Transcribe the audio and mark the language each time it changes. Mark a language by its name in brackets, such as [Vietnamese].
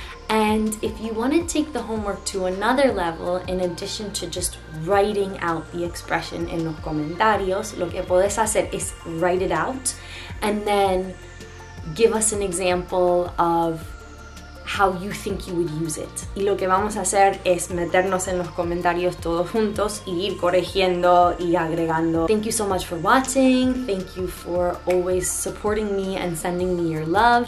[English] And if you want to take the homework to another level, in addition to just writing out the expression in [Spanish] los comentarios, lo que puedes hacer [English] is write it out and then give us an example of how you think you would use it. [Spanish] Y lo que vamos a hacer es meternos en los comentarios todos juntos y ir corrigiendo y agregando. [English] Thank you so much for watching. Thank you for always supporting me and sending me your love.